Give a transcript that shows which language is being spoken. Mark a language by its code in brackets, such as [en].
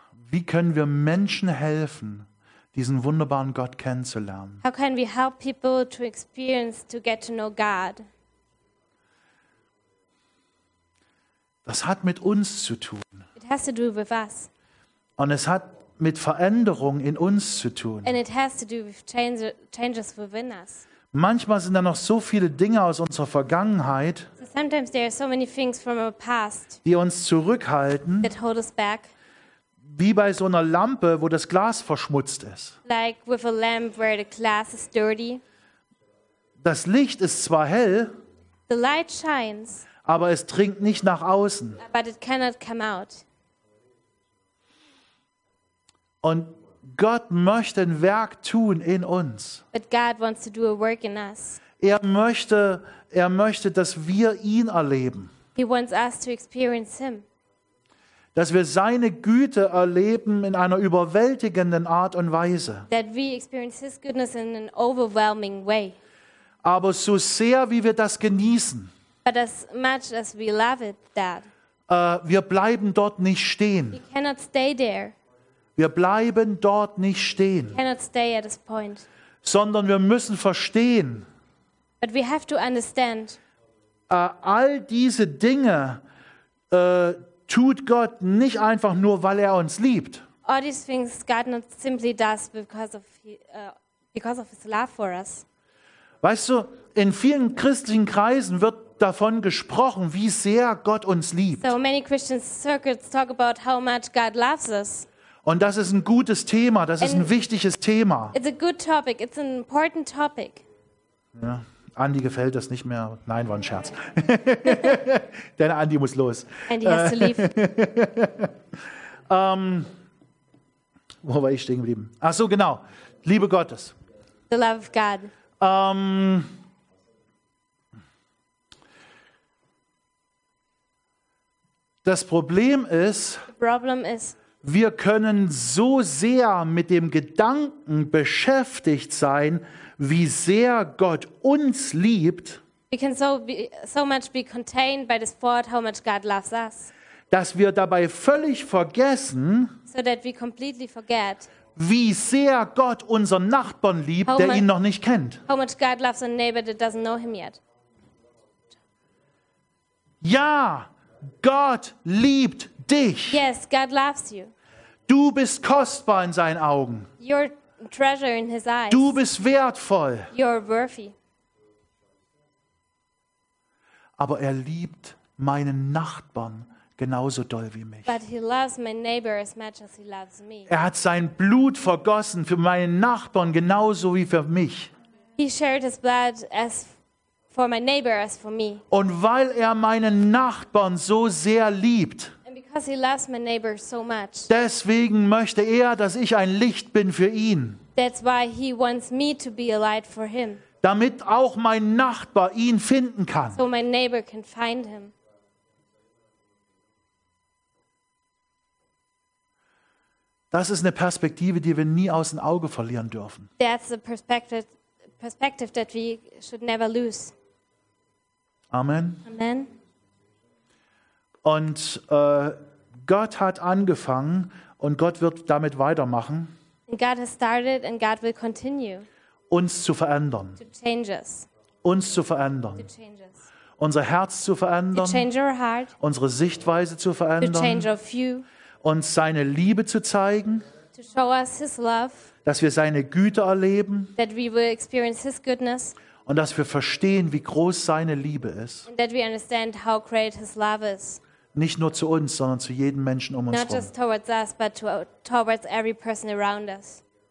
[de] Wie können wir Menschen helfen, diesen wunderbaren Gott kennenzulernen? [en] How can we help people to experience, to get to know God? [de] Das hat mit uns zu tun. [en] It has to do with us. [de] Und es hat mit Veränderung in uns zu tun. [en] And it has to do with changes within us. [de] Manchmal sind da noch so viele Dinge aus unserer Vergangenheit, [en] so sometimes there are so many things from our past, [de] die uns zurückhalten, [en] that hold us back. [de] Wie bei so einer Lampe, wo das Glas verschmutzt ist. [en] Like with a lamp where the glass is dirty. [de] Das Licht ist zwar hell, [en] the light shines, [de] aber es dringt nicht nach außen. [en] But it cannot come out. [de] Und Gott möchte ein Werk tun in uns. [en] But God wants to do a work in us. [de] Er möchte, dass wir ihn erleben. [en] He wants us to experience him. [de] Dass wir seine Güte erleben in einer überwältigenden Art und Weise. [en] That we experience his goodness in an overwhelming way. [de] Aber so sehr, wie wir das genießen, [en] but as much as we love it, that, [de] wir bleiben dort nicht stehen. [en] We cannot stay there. [de] Wir bleiben dort nicht stehen, [en] cannot stay at this point. [de] Sondern wir müssen verstehen, [en] but we have to understand, [de] all diese Dinge tut Gott nicht einfach nur, weil er uns liebt. [en] All these things God not simply does because of his love for us. [de] Weißt du, in vielen christlichen Kreisen wird davon gesprochen, wie sehr Gott uns liebt. [en] So many Christian circles talk about how much God loves us. [de] Und das ist ein gutes Thema, das ist ein wichtiges Thema. [en] It's a good topic, it's an important topic. [de] Ja, Andi gefällt das nicht mehr. Nein, war ein Scherz. Denn Andi muss los. [en] Andi has to leave. [de] Wo war ich stehen geblieben? Ach so, genau. Liebe Gottes. [en] The love of God. [de] Das Problem ist, [en] the problem is, [de] wir können so sehr mit dem Gedanken beschäftigt sein, wie sehr Gott uns liebt. [en] We can so much be contained by this thought how much God loves us. [de] Dass wir dabei völlig vergessen, [en] so that we completely forget, [de] wie sehr Gott unseren Nachbarn liebt, der ihn noch nicht kennt. [en] How much God loves a neighbor that doesn't know him yet. [de] Ja, Gott liebt dich. [en] Yes, God loves you. [de] Du bist kostbar in seinen Augen. [en] You're treasure in his eyes. [de] Du bist wertvoll. [en] You're worthy. [de] Aber er liebt meinen Nachbarn genauso doll wie mich. [en] But he loves my neighbor as much as he loves me. [de] Er hat sein Blut vergossen für meinen Nachbarn genauso wie für mich. [en] He shared his blood as for my neighbor as for me. [de] Und weil er meinen Nachbarn so sehr liebt, [en] because he loves my neighbor so much. [de] Deswegen möchte er, dass ich ein Licht bin für ihn. [en] That's why he wants me to be a light for him. [de] Damit auch mein Nachbar ihn finden kann. [en] So my neighbor can find him. [de] Das ist eine Perspektive, die wir nie aus dem Auge verlieren dürfen. [en] That's a perspective that we should never lose. [de] Amen. [en] Amen. [de] Und Gott hat angefangen und Gott wird damit weitermachen, [en] God has started and God will continue, [de] uns zu verändern, [en] to change us, [de] uns zu verändern, [en] to change us, [de] unser Herz zu verändern, [en] to change our heart, [de] unsere Sichtweise zu verändern, [en] to change our view, [de] uns seine Liebe zu zeigen, [en] to show us his love, [de] dass wir seine Güte erleben, [en] that we will experience his goodness, [de] und dass wir verstehen, wie groß seine Liebe ist. [en] And that we understand how great his love is. [de] Nicht nur zu uns, sondern zu jedem Menschen um uns herum. [en] Not just towards us, but towards every person around us.